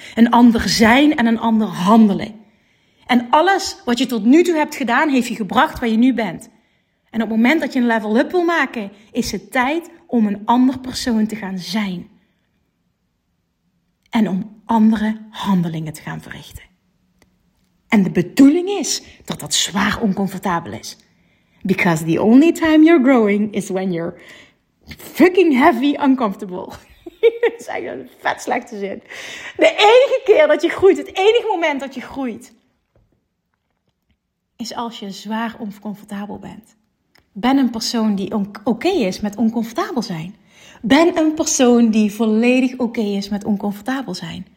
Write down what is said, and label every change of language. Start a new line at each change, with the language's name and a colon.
Dutch: Een ander zijn en een ander handelen. En alles wat je tot nu toe hebt gedaan, heeft je gebracht waar je nu bent. En op het moment dat je een level up wil maken, is het tijd om een ander persoon te gaan zijn. En om andere handelingen te gaan verrichten. En de bedoeling is dat dat zwaar oncomfortabel is.
English: Because the only time you're growing is when you're fucking heavy uncomfortable.
Dutch: Dat is eigenlijk een vet slechte zin. De enige keer dat je groeit, het enige moment dat je groeit, is als je zwaar oncomfortabel bent. Ben een persoon die oké is met oncomfortabel zijn. Ben een persoon die volledig oké is met oncomfortabel zijn.